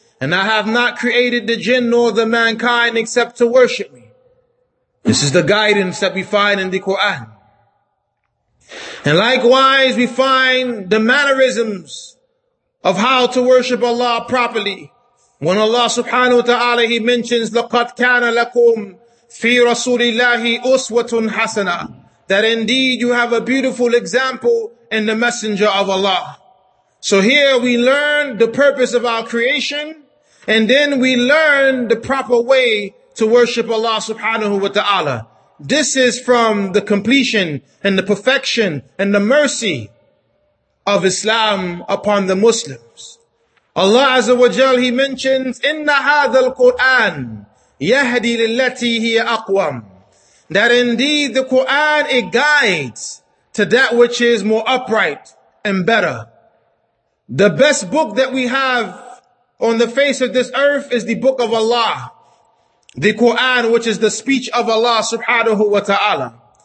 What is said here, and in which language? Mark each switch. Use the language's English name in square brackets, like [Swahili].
[English] And I have not created the jinn nor the mankind except to worship me. This is the guidance that we find in the Quran. And likewise, we find the mannerisms of how to worship Allah properly. When Allah subhanahu wa ta'ala, he mentions, [Arabic] لَقَدْ كَانَ لَكُمْ فِي رَسُولِ اللَّهِ أُسْوَةٌ حَسَنًا. [English] That indeed you have a beautiful example in the Messenger of Allah. So here we learn the purpose of our creation, and then we learn the proper way to worship Allah subhanahu wa ta'ala. This is from the completion and the perfection and the mercy of Islam upon the Muslims. Allah azza wa jal, he mentions, [Arabic] إِنَّ هَذَا الْقُرْآنِ يَهْدِي لِلَّتِي هِيَ أَقْوَمْ. [English] That indeed the Quran, it guides to that which is more upright and better. The best book that we have on the face of this earth is the book of Allah, the Quran, which is the speech of Allah subhanahu wa ta'ala.